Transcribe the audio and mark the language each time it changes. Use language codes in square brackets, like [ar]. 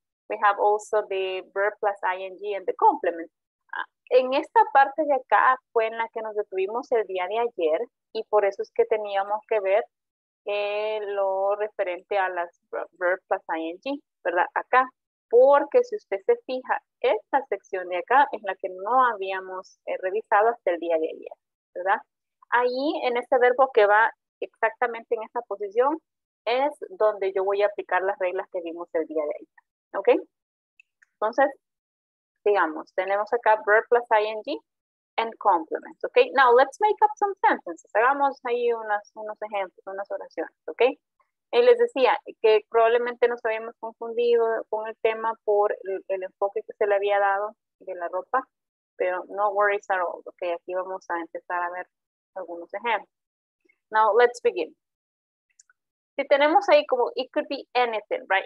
[en] We have also the verb plus ing and the complement. [es] En esta parte de acá fue en la que nos detuvimos el día de ayer y por eso es que teníamos que ver lo referente a las verb plus ing, ¿verdad? Acá, porque si usted se fija, esta sección de acá es la que no habíamos revisado hasta el día de ayer, ¿verdad? Ahí en este verbo que va exactamente en esa posición es donde yo voy a aplicar las reglas que vimos el día de ayer, ¿ok? Entonces, digamos, tenemos acá [en] verb plus ing and complement, [es] ¿ok? [en] Now, let's make up some sentences. [es] Hagamos ahí unos ejemplos, unas oraciones, ¿ok? Y les decía que probablemente nos habíamos confundido con el tema por el enfoque que se le había dado de la ropa, pero [en] no worries at all, [es] ¿ok? Aquí vamos a empezar a ver algunos ejemplos. [en] Now, let's begin. [es] Si tenemos ahí como, [en] it could be anything, right?